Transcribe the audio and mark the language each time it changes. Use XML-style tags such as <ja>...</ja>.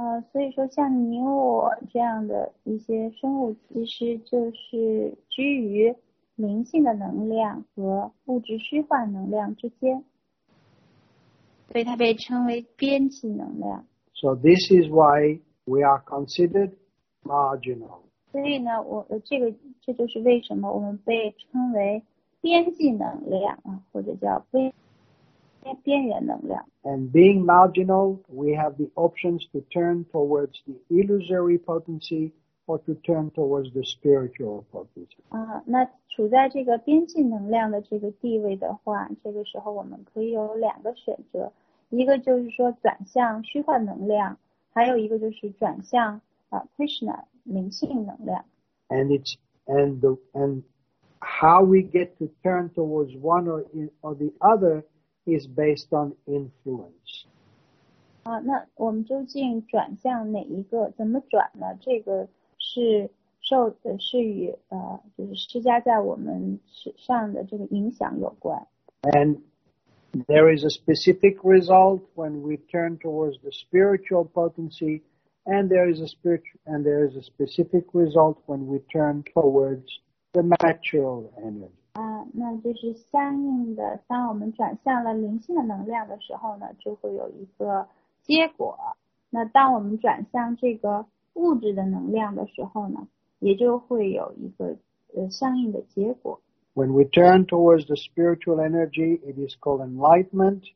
<zh>所以说像你我这样的一些生物，其实就是居于灵性的能量和物质虚幻能量之间。所以它被称为编辑能量。</zh> <en>So this is why we are considered marginal.</en> <zh>所以呢，我这个这就是为什么我们被称为边际能量啊，或者叫边缘能量。</zh> <en>And being marginal, we have the options to turn towards the illusory potency or to turn towards the spiritual potency.</en> <zh>啊，那处在这个边际能量的这个地位的话，这个时候我们可以有两个选择。一个就是说转向虚幻能量，还有一个就是转向Krishna 灵性能量。</zh> <en>And how we get to turn towards one or the other is based on influence.</en> <zh>那我们究竟转向哪一个？怎么转呢？这个是受的是与就是施加在我们身上的这个影响有关。</zh> <en>And there is a specific result when we turn towards the spiritual potency, and there is a specific result when we turn towards the material energy.</en> <zh>那就是相应的，当我们转向了灵性的能量的时候呢，就会有一个结果。那当我们转向这个物质的能量的时候呢，也就会有一个相应的结果。</zh> <en>When we turn towards the spiritual energy, it is called enlightenment.</en>